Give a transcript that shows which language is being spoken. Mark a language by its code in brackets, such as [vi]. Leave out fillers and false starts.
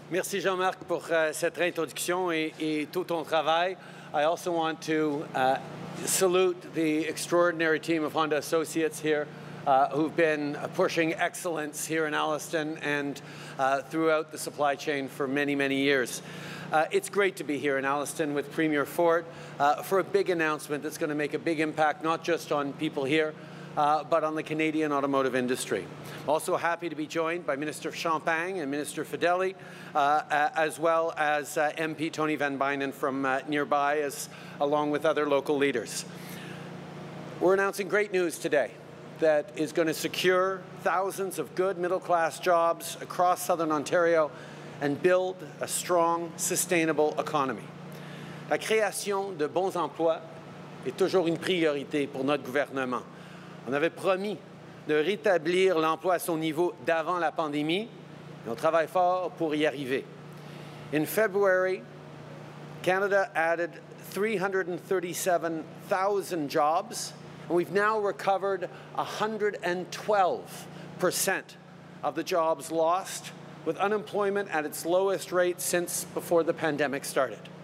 [fr] Merci Jean-Marc pour cette introduction et tout ton travail. [en] I also want to salute the extraordinary team of Honda Associates here who've been pushing excellence here in Alliston and throughout the supply chain for many, many years. It's great to be here in Alliston with Premier Ford for a big announcement that's going to make a big impact, not just on people here, but on the Canadian automotive industry. Also happy to be joined by Minister Champagne and Minister Fedeli, as well as MP Tony Van Bynen from nearby, as along with other local leaders. We're announcing great news today that is going to secure thousands of good middle-class jobs across southern Ontario and build a strong, sustainable economy. [fr] La création de bons emplois est toujours une priorité pour notre gouvernement. On avait promis de rétablir l'emploi à son niveau d'avant la pandémie, et on travaille fort pour y arriver. [en] In February, Canada added 337,000 jobs, and we've now recovered 112% of the jobs lost, with unemployment at its lowest rate since before the pandemic started.